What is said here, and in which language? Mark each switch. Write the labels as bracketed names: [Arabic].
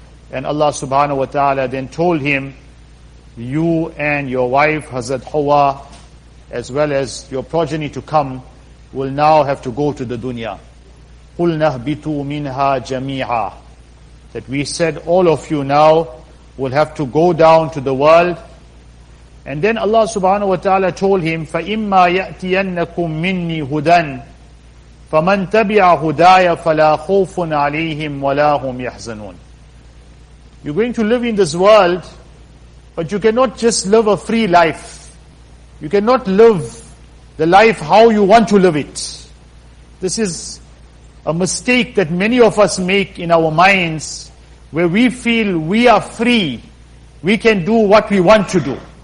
[English] And Allah subhanahu wa ta'ala then told him, you and your wife Hazrat Hawa, as well as your progeny to come, will now have to go to the dunya. [Arabic] قُلْنَا اهْبِطُوا مِنْهَا جَمِيعًا. [English] That we said, all of you now will have to go down to the world. And then Allah subhanahu wa ta'ala told him, [Arabic] فَإِمَّا يَأْتِيَنَّكُمْ مِنِّي هُدًى فَمَنْ تَبِعَ هُدَايَ فَلَا خَوْفٌ عَلَيْهِمْ وَلَا هُمْ يَحْزَنُونَ. [English] You're going to live in this world, but you cannot just live a free life. You cannot live the life how you want to live it. This is a mistake that many of us make in our minds, where we feel we are free, we can do what we want to do.